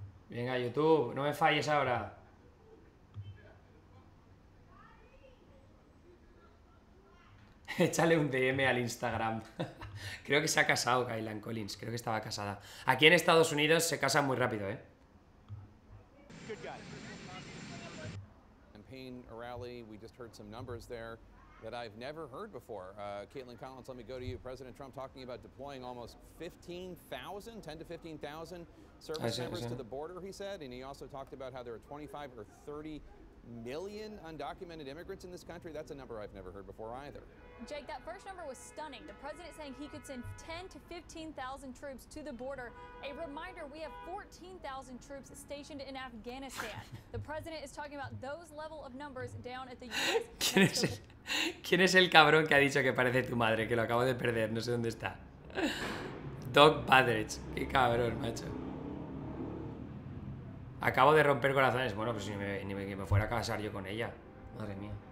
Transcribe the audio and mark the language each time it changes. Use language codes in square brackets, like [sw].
[es] Venga, YouTube, no me falles ahora. Échale un DM al Instagram. Creo que se ha casado Kylan Collins, creo que estaba casada. Aquí en Estados Unidos se casan muy rápido, ¿eh? [en] Good guy. Campaign rally, we just heard some numbers there that I've never heard before. Caitlin Collins, let me go to you. President Trump talking about deploying almost 15,000, 10 to 15,000 service members to the border, he said. And he also talked about how there are 25 or 30 million undocumented immigrants in this country. That's a number I've never heard before either. Jake, that first number was stunning. The president saying he could send 10 to 15,000 troops to the border. A reminder, we have 14,000 troops stationed in Afghanistan. The president is talking about those level of numbers down at the U.S. [es] ¿Quién es el cabrón que ha dicho que parece tu madre? Que lo acabo de perder, no sé dónde está. Doug Badridge. Qué cabrón, macho. Acabo de romper corazones. Bueno, pues ni me fuera a casar yo con ella. Madre mía.